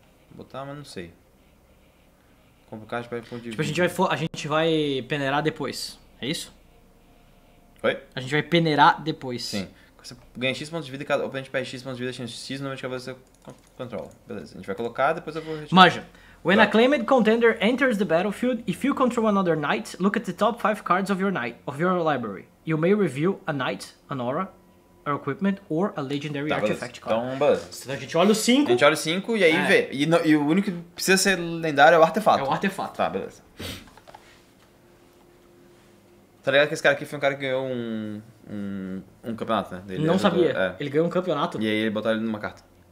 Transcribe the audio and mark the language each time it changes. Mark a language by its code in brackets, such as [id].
[pt] Vou botar, mas não sei. Compre o card pra ir pro tipo, a gente vai peneirar depois. É isso? Oi? A gente vai peneirar depois. Sim. Você ganha X pontos de vida e cada oponente perde X pontos de vida, tinha X, no momento que você controla. Beleza. A gente vai colocar, depois eu vou retirar. Maja. [en] When a claimed contender enters the battlefield, if you control another knight, look at the top 5 cards of your knight, of your library. You may reveal a knight, an aura, or equipment, or a legendary artifact card. [pt] Então, beleza. Então a gente olha o 5. A gente olha o 5 e aí vê. E o único que precisa ser lendário é o artefato. É o artefato. Tá, beleza. Tá ligado que esse cara aqui foi um cara que ganhou um campeonato, né? Ele não sabia. Ele ganhou um campeonato. E aí ele botou ele numa carta.